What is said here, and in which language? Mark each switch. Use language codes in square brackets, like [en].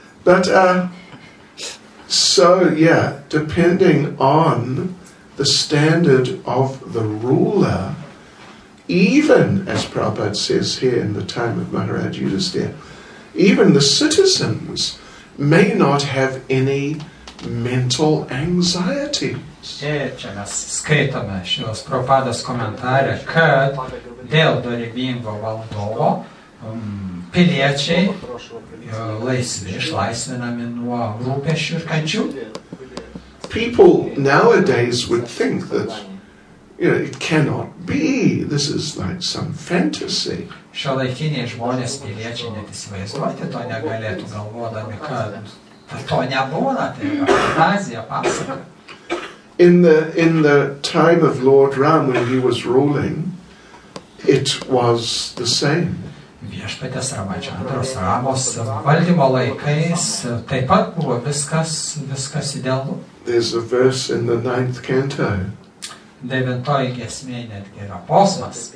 [en] But, so, yeah, depending on the standard of the ruler, even, as Prabhupada says here in the time of Maharaj Yudhisthira, even the citizens may not have any mental anxieties. [lt] Ir čia mes skaitome šios Prabhupados komentarą, kad dėl dorybingo valdovo piliečiai laisvi, išlaisvinami nuo rūpesčių ir kančių. [en] People nowadays would think that, you know, it cannot be. This is like some fantasy. [lt] Šiuolaikiniai žmonės piliečiai net įsivaizduoti to negalėtų, galvodami, kad to nebūna, tai fantazija, pasaka. [en] In the time of Lord Ram, when he was ruling, it was the same. [lt] Viešpatės Ramačandros Ramos valdymo laikais taip pat buvo viskas idealu. [en] There's a verse in the ninth canto. [lt] Devintoji giesmė netgi yra posmas.